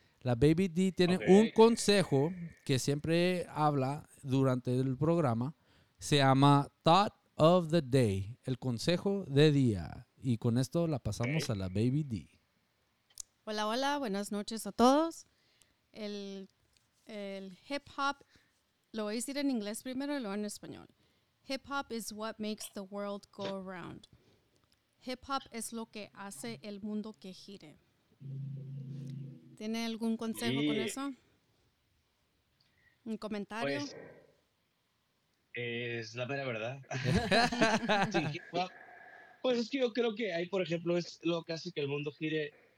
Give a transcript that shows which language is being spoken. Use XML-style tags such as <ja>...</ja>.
<es>La Baby D tiene un consejo que siempre habla durante el programa, se llama Thought of the Day, el consejo de día. Y con esto la pasamos a la Baby D. Hola, hola, buenas noches a todos. El hip hop, lo voy a decir en inglés primero y luego en español.</es> <en>Hip hop is what makes the world go around.</en> <es>Hip hop es lo que hace el mundo que gire. ¿Tiene algún consejo con eso? ¿Un comentario? Pues, es la mera verdad. Pues es que yo creo que ahí, por ejemplo, es lo que hace que el mundo gire.</es>